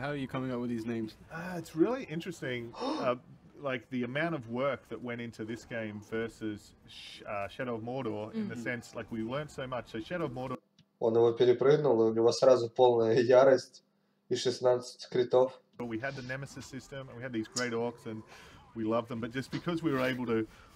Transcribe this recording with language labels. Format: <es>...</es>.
<en>How are you coming up with these names? It's really interesting. Like the amount of work that went into this game versus Shadow of Mordor, mm-hmm. in the sense, like we learned so much. So Shadow of Mordor.</en> <ru>Он его перепрыгнул, и у него сразу полная ярость и 16 критов.</ru> <en>But we had the nemesis system, and we had these great orcs, and we loved them, but just because we were able to...</en>